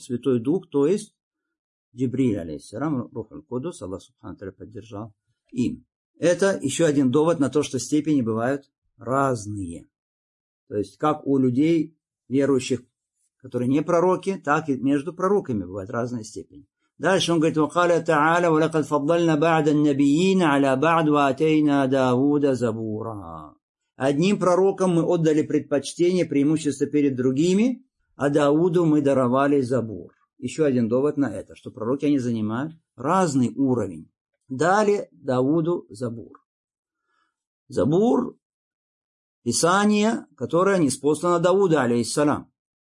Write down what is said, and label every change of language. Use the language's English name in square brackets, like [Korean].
[Russian] Святой дух, то есть Джибриль, алейхиссалам, рухиль кудус, Аллах субхану тааля поддержал им. Это еще один довод на то, что степени бывают разные. То есть как у людей верующих, которые не пророки, так и между пророками бывают разные степени. Дальше он говорит, [Arabic] وَقَالَ تَعَالَ وَلَقَدْ فَضَّلْنَا بَعْدَ النَّبِيِّينَ عَلَى بَعْدُ وَأَتَيْنَا دَاوُدَ زَبُورًا. [Russian] Одним пророкам мы отдали предпочтение, преимущество перед другими, а Дауду мы даровали забор. Еще один довод на это, что пророки, они занимают разный уровень. Дали Дауду забор. Забор – писание, которое ниспослано Дауду, алейхиссалам.